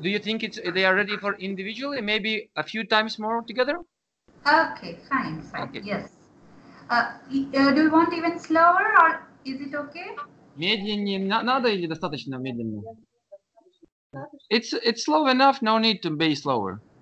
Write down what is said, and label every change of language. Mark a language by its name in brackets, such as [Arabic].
[English] Do you think they are ready for individually? Maybe a few times more together? Okay, fine. Okay. Yes. Do you want even slower or is it okay? [Russian] Медленнее надо или достаточно медленно? [English] It's slow enough, no need to be slower.